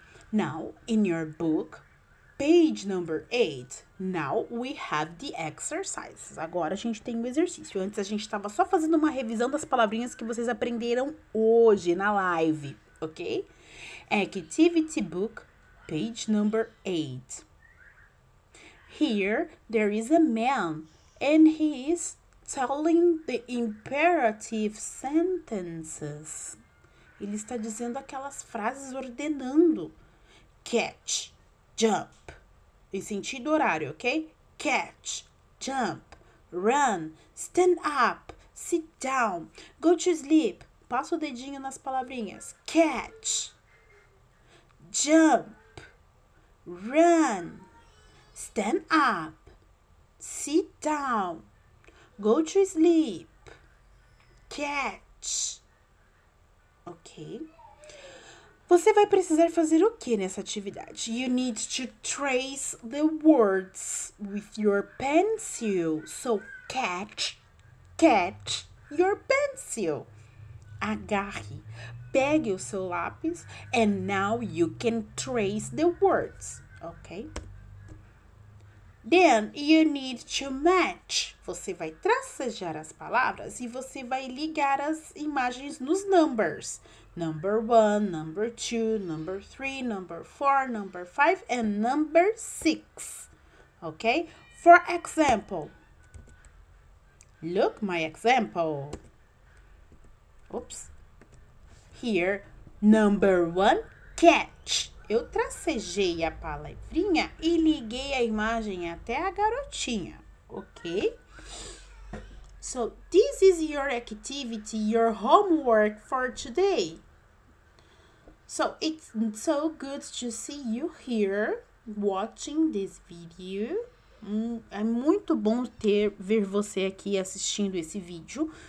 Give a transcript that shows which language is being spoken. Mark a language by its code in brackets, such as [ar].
[en] Now, in your book, page number 8, now we have the exercises. [pt] Agora a gente tem o exercício. Antes a gente estava só fazendo uma revisão das palavrinhas que vocês aprenderam hoje na live, ok? [en] Activity book, page number 8. Here, there is a man, and he is telling the imperative sentences. [pt] Ele está dizendo aquelas frases ordenando. [en] Catch, jump. [pt] Em sentido horário, ok? [en] Catch, jump, run, stand up, sit down, go to sleep. [pt] Passa o dedinho nas palavrinhas. [en] Catch, jump, run, stand up, sit down, go to sleep, catch. [pt] Ok. Você vai precisar fazer o que nessa atividade? [en] You need to trace the words with your pencil. So, catch, catch your pencil. [pt] Agarre. Pegue o seu lápis [en] and now you can trace the words. [pt] Ok? [en] Then, you need to match. [pt] Você vai tracejar as palavras e você vai ligar as imagens nos numbers. [en] Number 1, number 2, number 3, number 4, number 5, and number 6. Ok? For example. Look my example. Oops. Here, number 1, catch. [pt] Eu tracejei a palavrinha e liguei a imagem até a garotinha, ok? [en] So, this is your activity, your homework for today. So, it's so good to see you here watching this video. [pt] É muito bom ver você aqui assistindo esse vídeo.